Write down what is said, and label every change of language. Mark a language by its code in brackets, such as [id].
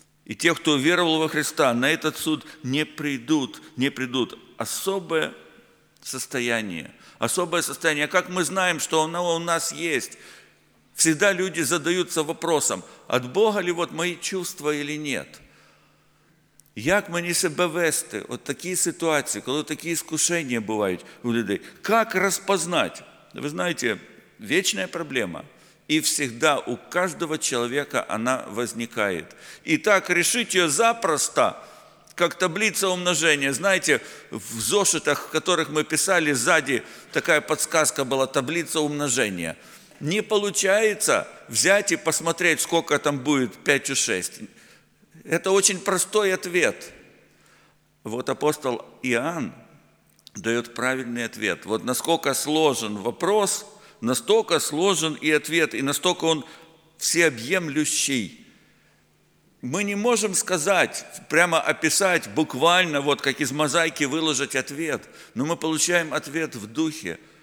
[ru] И те, кто веровал во Христа, на этот суд не придут, не придут. Особое состояние. Особое состояние. Как мы знаем, что оно у нас есть? Всегда люди задаются вопросом, от Бога ли вот мои чувства или нет? [uk] Як мені себе вести? От такі ситуації, коли такі іскушення бувають у людей. Як розпознати? Ви знаєте, вічна проблема. І завжди у кожного чоловіка вона виникає. І так рішити її запросто, як таблиця умноження. Знаєте, в зошитах, в яких ми писали, ззаді така підсказка була, таблиця умноження. Не виходить взяти і посмотреть, скільки там буде 5 у 6. [ru] Это очень простой ответ. Вот апостол Иоанн дает правильный ответ. Вот насколько сложен вопрос, настолько сложен и ответ, и настолько он всеобъемлющий. Мы не можем сказать, прямо описать буквально, вот как из мозаики выложить ответ, но мы получаем ответ в духе.